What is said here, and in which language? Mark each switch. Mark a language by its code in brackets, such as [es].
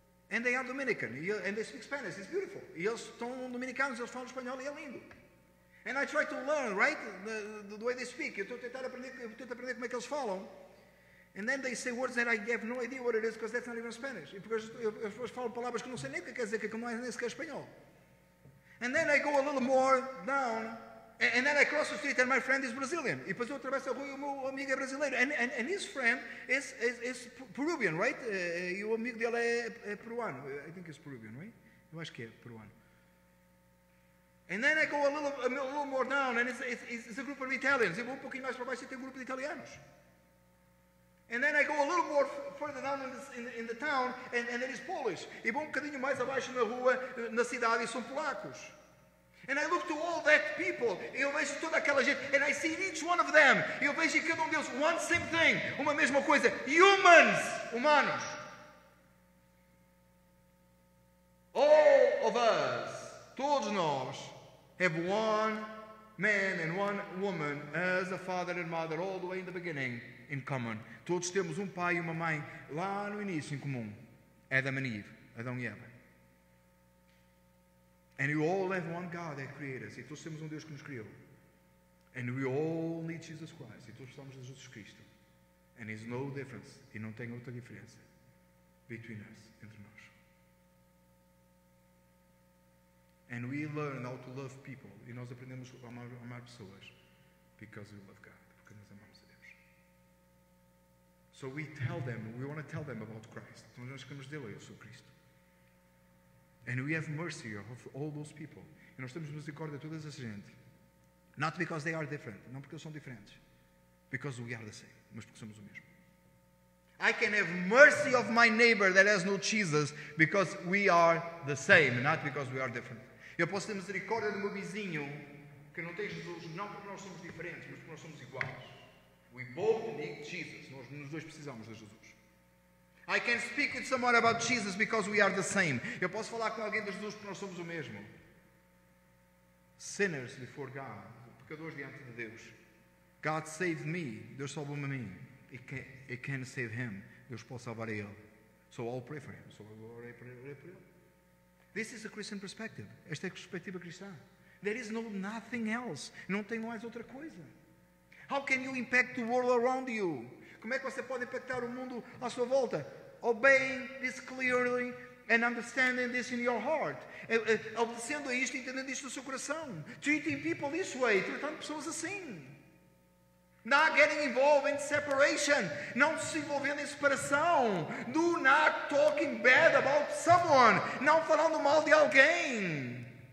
[en] And they are Dominican, and they speak Spanish, it's beautiful. [pt] E eles estão dominicanos, eles falam espanhol e é lindo. [en] And I try to learn, right, the way they speak. [pt] Eu tento aprender como é que eles falam. [en] And then they say words that I have no idea what it is, because that's not even Spanish. [pt] E porque eu falo palavras que não sei nem o que quer dizer, que não é nem sequer espanhol. [en] And then I go a little more down, and then I cross the street, and my friend is Brazilian. [pt] E depois eu atravesso a rua e o meu amigo é brasileiro. [en] And his friend is Peruvian, right? [pt] E o amigo dele é peruano. [en] I think it's Peruvian, right? [pt] Eu acho que é peruano. [en] And then I go a little more down, and it's a group of Italians. [pt] Eu vou um pouquinho mais para baixo e tem um grupo de italianos. [en] And then I go a little more further down in the town, and it is Polish. [pt] E vou um bocadinho mais abaixo na rua, na cidade, e são polacos. [en] And I look to all that people, [pt] eu vejo toda aquela gente, [en] and I see in each one of them, [pt] eu vejo em cada deles, [en] one same thing, [pt] uma mesma coisa, humanos. [en] All of us, todos nós, have one man and one woman as a father and mother all the way in the beginning in common. [pt] Todos temos pai e uma mãe lá no início em comum. [en] Adam and Eve, Adão e Eva. And we all have one God that created us. [pt] E todos temos Deus que nos criou. [en] And we all need Jesus Christ. [pt] E todos precisamos de Jesus Cristo. [en] And there's no difference. [pt] E não tem outra diferença [en] between us, [pt] entre nós. [en] And we learn how to love people. [pt] E nós aprendemos a amar pessoas [en] because we love God. [pt] Porque nós amamos a Deus. [en] So we tell them, we want to tell them about Christ. [pt] Então nós queremos dizer, eu sou Cristo. [en] And we have mercy of all those people. [pt] E nós temos misericórdia de toda essa gente. [en] Not because they are different. [pt] Não porque eles são diferentes. [en] Because we are the same. [pt] Mas porque somos o mesmo. [en] I can have mercy of my neighbor that has no Jesus because we are the same, not because we are different. [pt] Eu posso ter misericórdia do meu vizinho que não tem Jesus, não porque nós somos diferentes, mas porque nós somos iguais. [en] We both need Jesus. [pt] Nós dois precisamos de Jesus. [en] I can speak with someone about Jesus because we are the same. [pt] Eu posso falar com alguém de Jesus porque nós somos o mesmo. [en] Sinners before God, [pt] pecadores diante de Deus. [en] God saved me. [pt] Deus salvou-me a mim. [en] It can save him. [pt] Deus pode salvar a ele. [en] So I'll pray for him. So I will pray for him. This is a Christian perspective. [pt] Esta é a perspectiva cristã. [en] There is nothing else. [pt] Não tem mais outra coisa. [en] How can you impact the world around you? [pt] Como é que você pode impactar o mundo à sua volta? [en] Obeying this clearly and understanding this in your heart. [pt] Obedecendo a isto e entendendo isto no seu coração. [en] Treating people this way. [pt] Tratando pessoas assim. [en] Not getting involved in separation. [pt] Não se envolvendo em separação. [en] Do not talking bad about someone. [pt] Não falando mal de alguém.